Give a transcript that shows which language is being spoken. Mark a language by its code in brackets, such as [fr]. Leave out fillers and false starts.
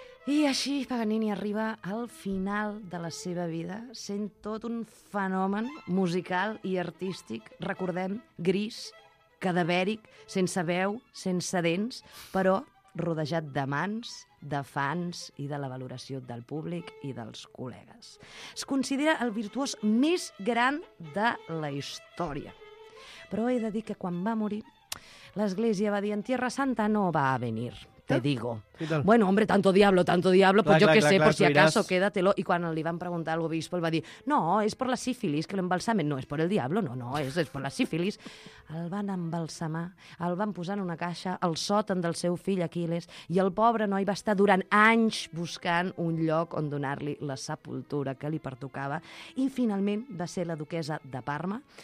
[ca] I així Paganini arriba al final de la seva vida, sent tot un fenomen musical i artístic, recordem, gris, cadavèric, sense veu, sense dents, però rodejat de mans, de fans i de la valoració del públic i dels col·legues. Es considera el virtuós més gran de la història. Però he de dir que quan va morir, l'Església va dir: [es] "En Tierra Santa no va a venir". Te digo. Bueno, hombre, tanto diablo, pues clar, si acaso, quédatelo. [ca] I quan li van preguntar al obispo, el va dir: "No, és per la sífilis, que l'embalsamen no és per el diablo, no, és per la sífilis". El van embalsamar, el van posar en una caixa, al sòtan del seu fill Aquiles, i el pobre noi va estar durant anys buscant un lloc on donar-li la sepultura que li pertocava, i finalment va ser la duquesa de Parma.